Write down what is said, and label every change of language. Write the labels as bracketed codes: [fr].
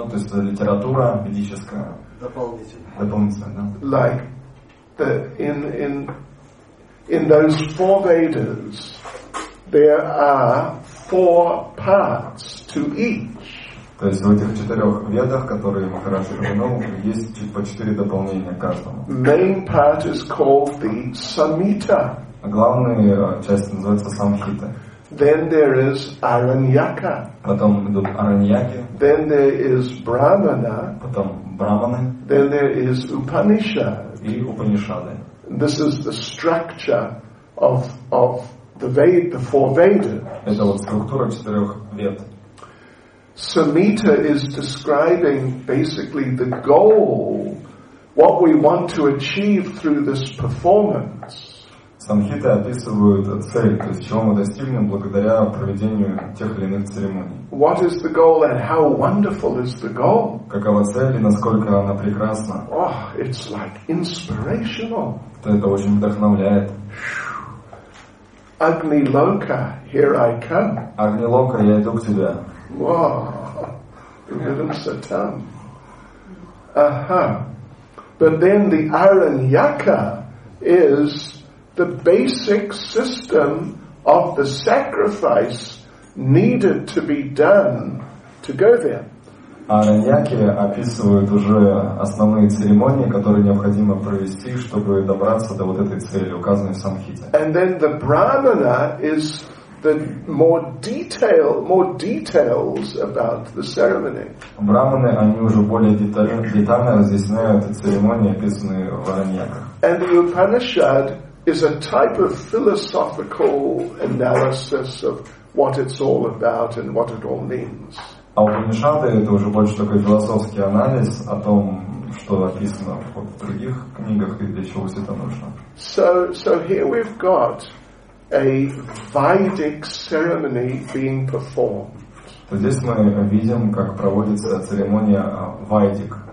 [ru] Ну, то есть литература ведическая. Дополнительная, да. [en] Like the in those four Vedas, there are four parts to each. [ru] То есть в этих четырех ведах, которые Махарадж упомянул, есть по четыре дополнения к каждому. [en] Main part is called the Samhita. [ru] Главная часть называется Самхита. [en] Then there is Араньяка. [ru] Потом идут Араньяки. [en] Then there is Брамана. [ru] Потом Браманы. [en] Then there is Упанишад. [ru] И Упанишады. [en] This is the structure of the four Vedas. [ru] Это вот структура четырех вед. [en] Samhita is describing basically the goal, what we want to achieve through this performance. [ru] Самхита описывают цель, то есть чего мы достигнем благодаря проведению тех или иных церемоний. [en] What is the goal and how wonderful is the goal? [ru] Какова цель и насколько она прекрасна? [en] Oh, it's like inspirational. [ru] Это очень вдохновляет. [en] Agni Loka, here I come. [ru] Agni Loka, я иду к тебе. [en] Wow, rhythm satam. But then the Aranyaka is the basic system of the sacrifice needed to be done to go there. [ru] Аранияки описывают уже основные церемонии, которые необходимо провести, чтобы добраться до вот этой цели, указанной в Самхите. [en] And then the Brahmana is the more details about the ceremony. [ru] Брахманы, они уже более детально разъясняют церемонии, описанные в Араньяках. [en] And the Upanishad is a type of philosophical analysis of what it's all about and what it all means. [ru] А Упанишады — это уже больше такой философский анализ о том, что описано в других книгах и для чего все это нужно. [en] So here we've got a Vedic ceremony being performed. [ru] Здесь мы видим, как проводится церемония Vedic.